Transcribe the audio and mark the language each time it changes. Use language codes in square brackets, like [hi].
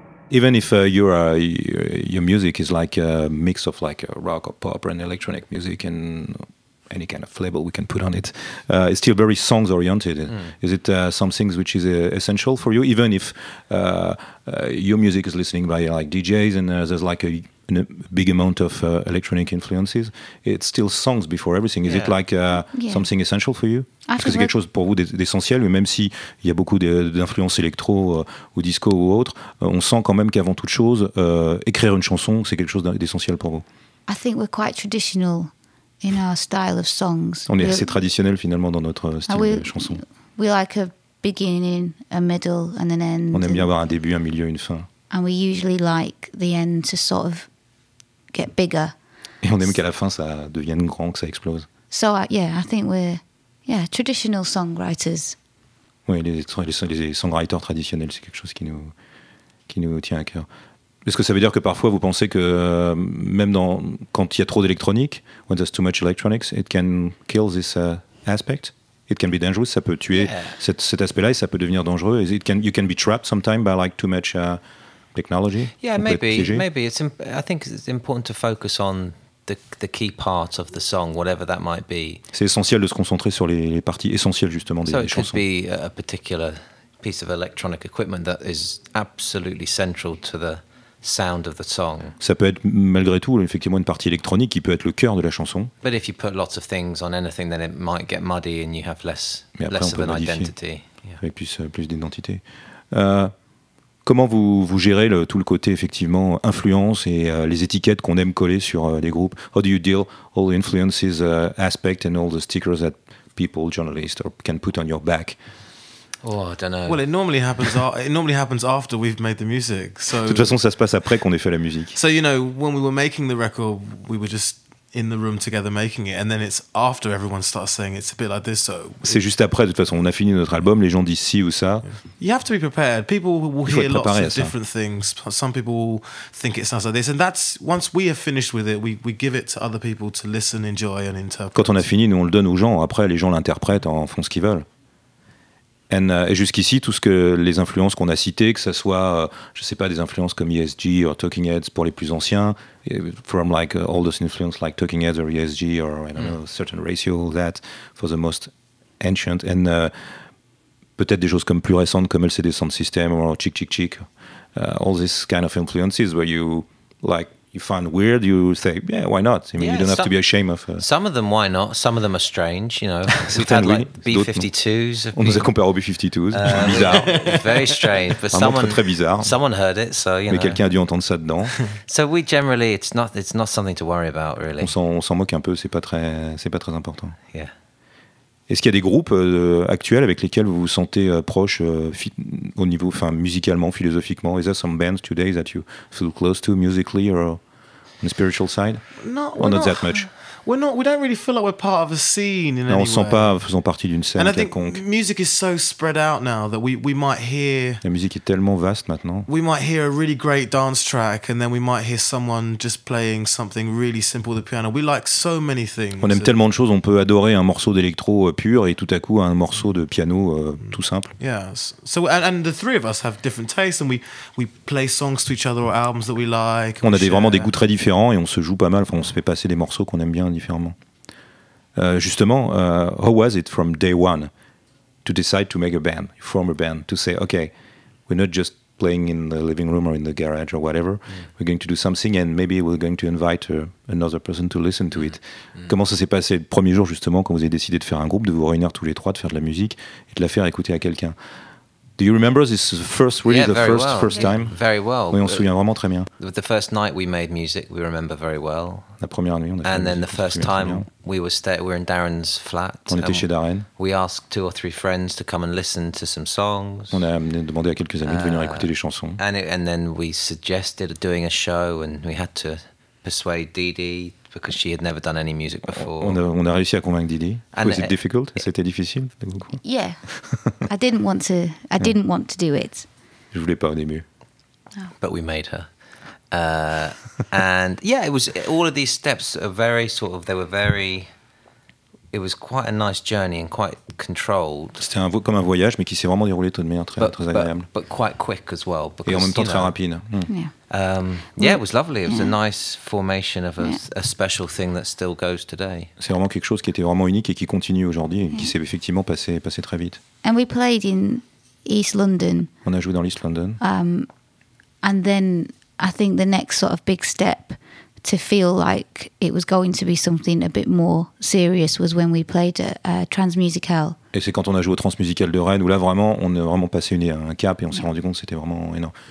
[en] Even if your music is like a mix of like rock or pop or an electronic music and any kind of label we can put on it, it's still very songs oriented. Mm. Is it some things which is essential for you? Even if your music is listening by like DJs and there's like a big amount of electronic influences, it's still songs before everything. Is it like something essential for you? [fr] Est-ce que c'est quelque chose pour vous d'essentiel, mais même s'il y a beaucoup d'influences électro ou disco ou autre, on sent quand même qu'avant toute chose, écrire une chanson, c'est quelque chose d'essentiel pour vous. [en] I think we're quite traditional in our style of songs. [fr] On est assez traditionnel finalement dans notre style de chanson. [en] We like a beginning, a middle, and an end. [fr] On aime bien avoir un début, un milieu, une fin. [en] And we usually like the end to sort of get bigger. [fr] Et on aime qu'à la fin ça devienne grand, que ça explose. [en] So yeah, I think we're traditional songwriters. [fr] Oui, les songwriters traditionnels, c'est quelque chose qui nous tient à cœur. Est-ce que ça veut dire que parfois vous pensez que même dans quand il y a trop d'électronique, [en] when there's too much electronics, it can kill this aspect. It can be dangerous. [fr] Ça peut tuer cet aspect-là et ça peut devenir dangereux. [en] Is it can you can be trapped sometimes by like too much technology? Yeah, maybe. I think it's important to focus on the key part of the song, whatever that might be. [fr] C'est essentiel de se concentrer sur les parties essentielles justement des chansons. [en] So it could be a particular piece of electronic equipment that is absolutely central to the sound of the song. [fr] Ça peut être malgré tout effectivement une partie électronique qui peut être le cœur de la chanson. [en] But if you put lots of things on anything, then it might get muddy and you have less of an identity. [fr] Avec plus d'identité. Comment vous gérez tout le côté effectivement influence et les étiquettes qu'on aime coller sur les groupes? [en] How do you deal all the influences aspect and all the stickers that people, journalists, or can put on your back? Oh, I don't know. Well, it normally happens after we've made the music. So [fr] de toute façon, ça se passe après qu'on ait fait la musique. [en] So you know, when we were making the record, we were just in the room together making it, and then it's after everyone starts saying it's a bit like this. So [fr] c'est juste après. De toute façon, on a fini notre album. Les gens disent si ou ça. [en] You have to be prepared. People will hear lots of different things. Some people think it sounds like this, and that's once we have finished with it, we give it to other people to listen, enjoy, and interpret. [fr] Quand on a fini, nous on le donne aux gens. Après, les gens l'interprètent, en font ce qu'ils veulent. Et jusqu'ici, tout ce que les influences qu'on a citées, que ce soit, je ne sais pas, des influences comme ESG ou Talking Heads pour les plus anciens, [en] from like all those influences like Talking Heads or ESG or I don't know, certain ratio, that for the most ancient, [fr] and peut-être des choses comme plus récentes comme LCD Sound System ou Chic Chic Chic, [en] all these kind of influences where you like. You find weird, you say, yeah, why not? I mean, yeah, you don't have to be ashamed of... Some of them, why not? Some of them are strange, you know. We've had like B-52s. [fr] On nous a comparé aux B-52s. Bizarre. [en] Very strange. But someone heard it, so, you know. [fr] Mais quelqu'un a dû entendre ça dedans. [en] So we generally, it's not something to worry about, really. [fr] On s'en moque un peu, c'est pas très important. [en] Yeah. [fr] Est-ce qu'il y a des groupes actuels avec lesquels vous vous sentez proche au niveau, enfin, musicalement, philosophiquement? [en] Is there some bands today that you feel close to musically or on the spiritual side? Not that much. We don't really feel like we're part of a scene in any way. [fr] On ne sent pas faisant partie d'une scène quelconque. [en] And I think music is so spread out now that we might hear. [fr] La musique est tellement vaste maintenant. [en] We might hear a really great dance track and then we might hear someone just playing something really simple the piano. We like so many things. [fr] On aime tellement de choses. On peut adorer un morceau d'électro pur et tout à coup un morceau de piano tout simple. [en] Yes. So and the three of us have different tastes and we play songs to each other or albums that we like. [fr] On a vraiment des goûts très différents et on se joue pas mal. Enfin, on se fait passer des morceaux qu'on aime bien. Différemment. Justement, [en] how was it from day one? to decide to make a band, form a band, to say, okay, we're not just playing in the living room or in the garage or whatever. Mm. We're going to do something and maybe we're going to invite another person to listen to it. Mm. [fr] Comment ça s'est passé le premier jour justement quand vous avez décidé de faire un groupe, de vous réunir tous les trois, de faire de la musique et de la faire écouter à quelqu'un? [en] Do you remember this first, really yeah, the first well. First yeah. time? Very well. [fr] Oui, on se souvient vraiment très bien. [en] The first night we made music, we remember very well. [fr] La première nuit, on a fait [en] And then the first time we were in Darren's flat. [fr] On était chez Darren. [en] We asked two or three friends to come and listen to some songs. [fr] On a demandé à quelques amis de venir écouter les chansons. [en] And then we suggested doing a show and we had to persuade Didi because she had never done any music before. [fr] On a réussi à convaincre Didi. [en] Was it difficult? [fr] C'était difficile? [en] Yeah. I didn't want to do it. [fr] Je voulais pas au début. Oh. [en] But we made her. And yeah, it was all of these steps are very sort of they were very it was quite a nice journey and quite controlled. [fr] C'était un comme un voyage mais qui s'est vraiment déroulé de manière très but, très agréable. [en] But quite quick as well because, [fr] et en même temps très rapide. Mm. [en] Yeah, it was lovely. It was a nice formation of a special thing that still goes today. [fr] C'est vraiment quelque chose qui était vraiment unique et qui continue aujourd'hui et qui s'est effectivement passé très vite. [en] And we played in East London. [fr] On a joué dans l'East London. [en] And then I think the next sort of big step to feel like it was going to be something a bit more serious was when we played Transmusical. [fr] Et c'est quand on a joué au Transmusical de Rennes où là vraiment on a vraiment passé un cap et on s'est rendu compte que c'était vraiment énorme.